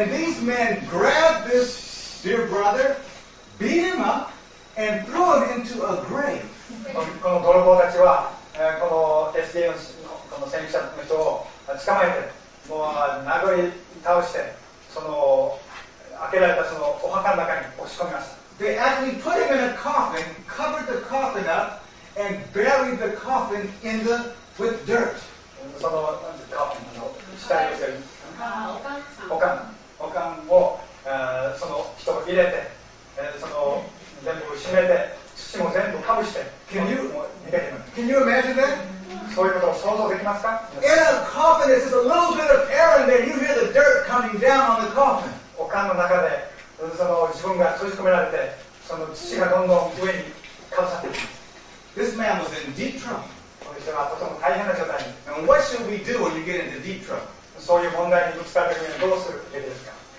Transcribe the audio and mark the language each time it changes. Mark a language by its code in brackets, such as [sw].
[en] And these men grabbed this dear brother, beat him up, and threw him into a grave. [ja] この泥棒たちはこの SDA のこの先駆者の人を捕まえて。もう殴り倒して、その開けられたそのお墓の中に押し込みました。 [en] They actually put him in a coffin, covered the coffin up, and buried the coffin in the with dirt. [ja] その coffin の下に置いて、おかんをその人を入れて、その全部閉めて、土も全部かぶして、 [en] Can you imagine that? [ja] そういうことを想像できますか。 [en] In a coffin, there's just a little bit of air in there. You hear the dirt coming down on the coffin. [ja] おかんの中でその自分が閉じ込められて、その土がどんどん上にかぶさっていきます。 [en] This man was in deep trouble. [ja] この人はとても大変な状態に。 [en] And what should we do when you get into deep trouble? [ja] そういう問題にぶつかるときにどうするべきですか。